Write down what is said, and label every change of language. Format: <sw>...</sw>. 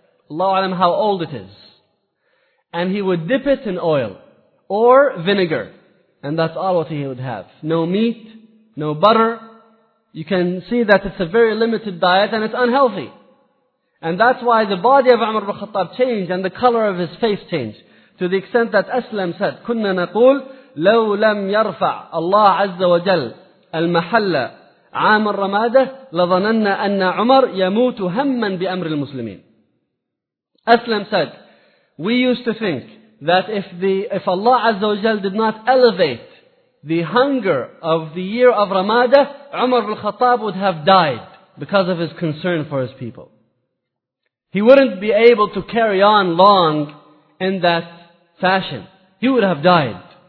<en>Allahu a'lam how old it is. And he would dip it in oil or vinegar. And that's all what he would have. No meat, no butter. You can see that it's a very limited diet and it's unhealthy. And that's why the body of Umar ibn Khattab changed and the color of his face changed. To the extent that Aslam said,</en> <ar>كُنَّا نَقُولُ لَوْ لَمْ يَرْفَعَ اللَّهُ عَزَّ وَجَلَّ الْمَحَلَّ عَامَ الرَّمَادَةِ لَظَنَنَّا أَنَّ عُمَرْ يَمُوتُ هَمَّا بِأَمْرِ الْمُسْلِمِينَ.</ar> <en>Aslam said, we used to think that if Allah Azza wa Jal did not elevate the hunger of the year of Ramadan, Umar ibn Khattab would have died because of his concern for his people. He wouldn't be able to carry on long in that fashion. He would have died.</en>